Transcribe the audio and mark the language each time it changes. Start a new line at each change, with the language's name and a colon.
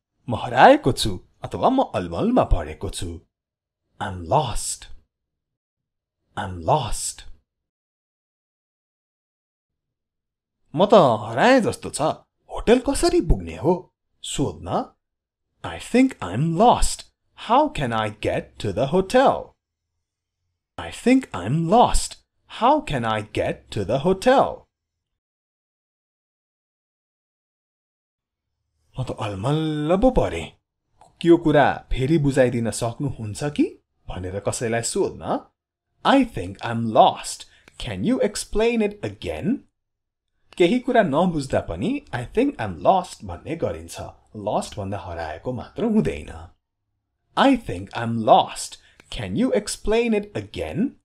Nepali: म हराएको छु अथवा म अलमलमा परेको छु
English: I am lost
Nepali: म त हराए जस्तो छ होटल कसरी पुग्ने हो सोध्न
English: I think I'm lost. How can I get to the hotel? I think I'm lost. How can I get to the hotel?
Nepali: म त अलमल्ल पो परे के कुरा फेरि बुझाइदिन सक्नुहुन्छ कि भनेर कसैलाई सोध्न
English: I think I'm lost. Can you explain it again?
Nepali: केही कुरा नबुझ्दा पनि
English: I think I am lost
Nepali: भन्ने गरिन्छ लस्ट भन्दा हराएको मात्र हुँदैन
English: I think I am lost can you explain it again